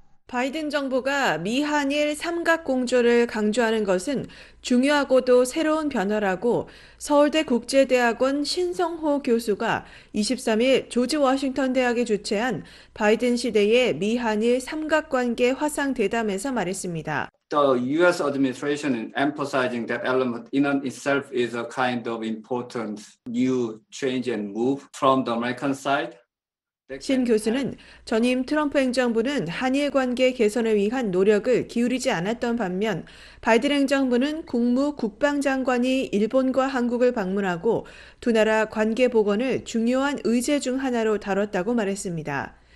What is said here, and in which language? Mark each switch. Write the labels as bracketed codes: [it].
[ko] 바이든 정부가 미한일 삼각공조를 강조하는 것은 중요하고도 새로운 변화라고 서울대 국제대학원 신성호 교수가 23일 조지 워싱턴 대학에 주최한 바이든 시대의 미한일 삼각관계 화상 대담에서 말했습니다. [en] The U.S. administration is emphasizing that element in and itself is a kind of important new change and move from the American side. [ko] 신 교수는 전임 트럼프 행정부는 한일 관계 개선을 위한 노력을 기울이지 않았던 반면 바이든 행정부는 국무 국방장관이 일본과 한국을 방문하고 두 나라 관계 복원을 중요한 의제 중 하나로 다뤘다고 말했습니다.